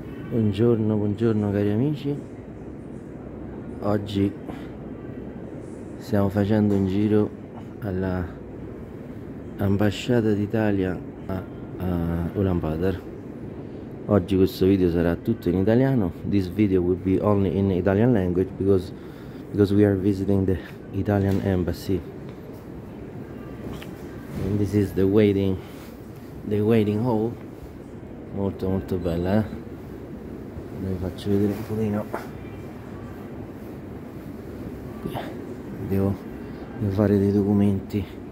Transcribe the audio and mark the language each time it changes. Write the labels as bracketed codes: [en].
[it] Buongiorno, buongiorno cari amici. Oggi stiamo facendo un giro alla ambasciata d'Italia a Ulan Bator. Oggi questo video sarà tutto in italiano. [en] This video will be only in Italian language because we are visiting the Italian embassy. And this is the waiting hall. [it] Molto molto bella, eh? Vi faccio vedere un pochino. Devo fare dei documenti.